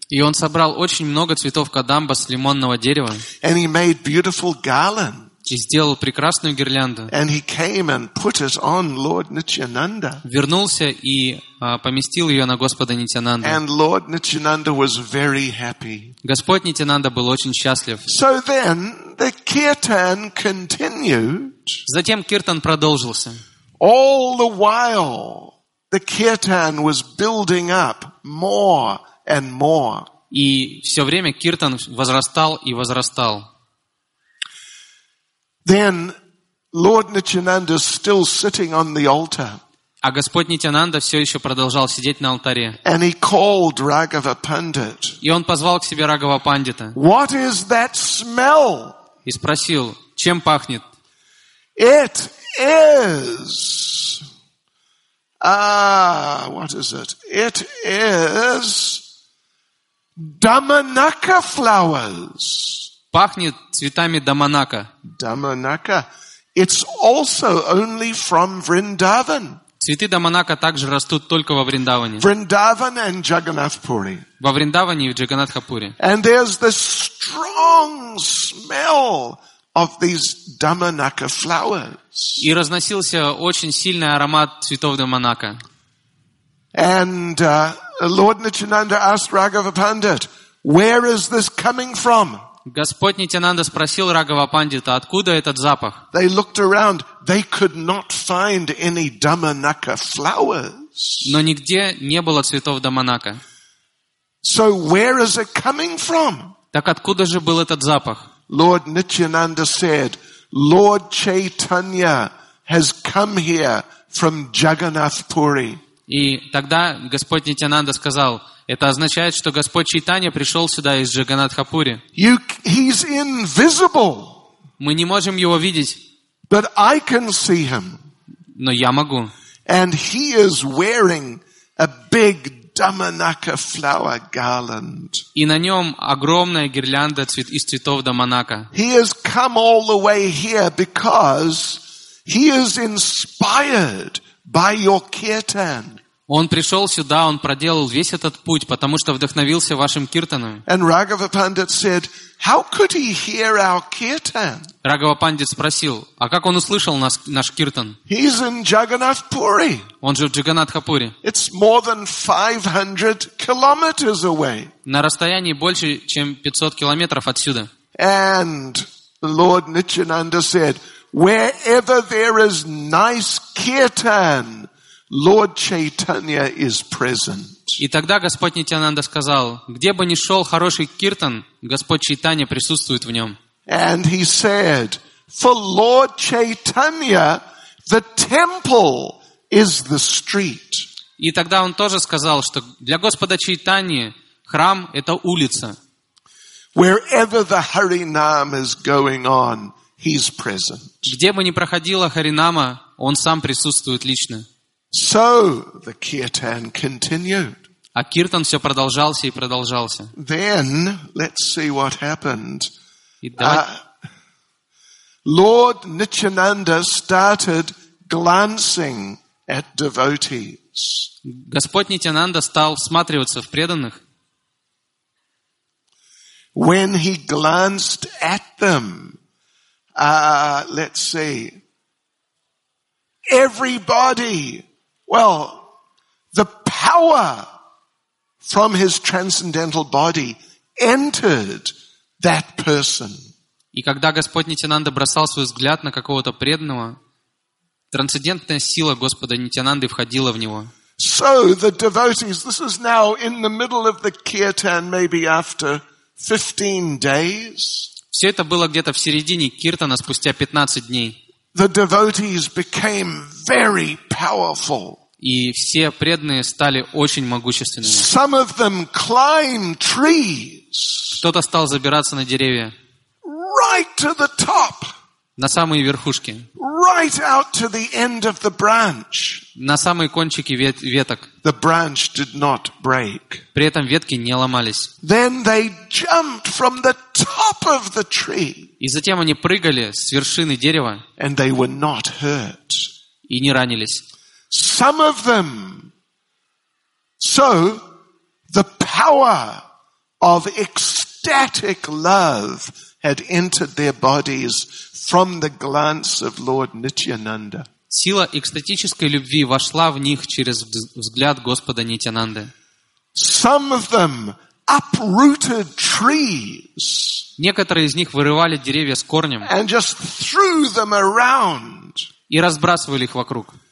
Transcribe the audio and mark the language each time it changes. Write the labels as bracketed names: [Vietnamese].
[Russian] И он собрал очень много цветов кадамба с лимонного дерева. [English] And he made beautiful garland. [Russian] И сделал прекрасную гирлянду. [English] And he came and put it on Lord Nityananda. [Russian] Вернулся и поместил ее на Господа Нитянанду. [English] And Lord Nityananda was very happy. [Russian] Господь Нитянанда был очень счастлив. [English] So then the kirtan continued. [Russian] Затем киртан продолжился. [English] All the while the kirtan was building up more. And more. [Russian] И все время киртан возрастал и возрастал. [English] Then Lord Nityananda is still sitting on the altar. [Russian] А Господь Нитянанда все еще продолжал сидеть на алтаре. [English] And he called Raghava Pandit. [Russian] И он позвал к себе Раghava Pandita. [English] What is that smell? [Russian] И спросил, чем пахнет? [English] It is. What is it? It is. Damanaka flowers. [Russian] Пахнет цветами Даманака. [English] Даманака. It's also only from Vrindavan. [Russian] Цветы Даманака также растут только во Вриндаване. [English] Vrindavan and Jagannathpuri. [Russian] Во Вриндаване и в Джаганатхапуре. [English] And there's the strong smell of these Damanaka flowers. [Russian] И разносился очень сильный аромат цветов Даманака. [English] And Lord Nityananda asked Raghava Pandit, "Where is this coming from?" [Russian] Господь Нитянанда спросил Раghava Pandita, откуда этот запах? [English] They looked around; they could not find any Damanaka flowers. [Russian] Но нигде не было цветов Даманака. [English] So where is it coming from? [Russian] Так откуда же был этот запах? [English] Lord Nityananda said, "Lord Chaitanya has come here from Jagannath Puri." [Russian] И тогда Господь Нитянанда сказал, это означает, что Господь Чайтанья пришел сюда из Джаганатхапури. [English] He's invisible. [Russian] Мы не можем его видеть. [English] But I can see him. [Russian] Но я могу. [English] And he is wearing a big Damanaka flower garland. [Russian] И на нем огромная гирлянда из цветов Даманака. [English] He has come all the way here because he is inspired by your kirtan. [Russian] Он пришел сюда, он проделал весь этот путь, потому что вдохновился вашим киртаном. [English] And Raghava Pandit said, "How could he hear our kirtan?" [Russian] Raghava Pandit спросил, а как он услышал наш киртан? [English] He's in Jagannath Puri. [Russian] Он же в Джаганатхапури. [English] It's more than 500 kilometers away. [Russian] На расстоянии больше, чем 500 километров отсюда. [English] And Lord Nityananda said, "Wherever there is nice kirtan, Lord Chaitanya is present." [Russian] И тогда Господь Нитянанда сказал, где бы ни шел хороший киртан, Господь Чайтанья присутствует в нем. [English] And he said, "For Lord Chaitanya, the temple is the street." [Russian] И тогда он тоже сказал, что для Господа Чайтаньи храм – это улица. [English] Wherever the Harinam is going on, he's present. [Russian] Где бы ни проходила Харинама, он сам присутствует лично. [English] So the kirtan continued. [Russian] А киртан все продолжался и продолжался. [English] Then, let's see what happened. Lord Nityananda started glancing at devotees. [Russian] Господь Нитянанда стал всматриваться в преданных. [English] When he glanced at them, let's see, everybody, well, the power from his transcendental body entered that person. [Russian] И когда Господь Нитянанда бросал свой взгляд на какого-то преданного, трансцендентная сила Господа Нитянанды входила в него. [English] So the devotees, this is now in the middle of the kirtan, maybe after 15 days. [Russian] Все это было где-то в середине киртана, спустя 15 дней. [English] The devotees became very powerful. [Russian] И все преданные стали очень могущественными. [English] Some of them climbed trees. [Russian] Кто-то стал забираться на деревья. [English] Right to the top. [Russian] На самые верхушки. [English] Right out to the end of the branch. [Russian] На самые кончики веток. [English] The branch did not break. [Russian] При этом ветки не ломались. [English] Then they jumped from the top of the tree. [Russian] И затем они прыгали с вершины дерева. [English] And they were not hurt. [Russian] И не ранились. [English] Some of them. So the power of ecstatic love had entered their bodies from the glance of Lord Nityananda. [Russian] Сила экстатической любви вошла в них через взгляд Господа Нитянанды. [English] Some of them uprooted trees. [Russian] Некоторые из них вырывали деревья с корнем. [English] And just threw them around. [Russian] И разбрасывали их вокруг.